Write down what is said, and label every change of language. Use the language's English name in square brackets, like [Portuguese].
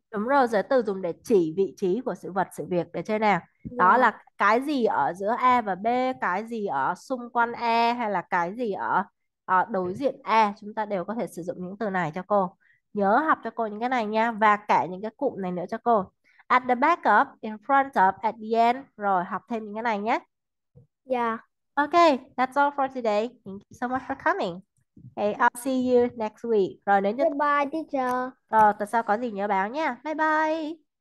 [Vietnamese] Đúng rồi, giới từ dùng để chỉ vị trí của sự vật, sự việc. Để xem nào. Đó [English] Yeah. [Vietnamese] là cái gì ở giữa A và B, cái gì ở xung quanh A, hay là cái gì ở đối diện A, chúng ta đều có thể sử dụng những từ này cho cô. Nhớ học cho cô những cái này nha, và cả những cái cụm này nữa cho cô. [English] At the back of, in front of, at the end. [Vietnamese] Rồi học thêm những cái này nhé. [English] Yeah. Ok, that's all for today. Thank you so much for coming. Hey, I'll see you next week. [Vietnamese] Rồi đến cho [English] Bye, teacher. [Vietnamese] tuần sau có gì nhớ báo nha. [English] Bye bye.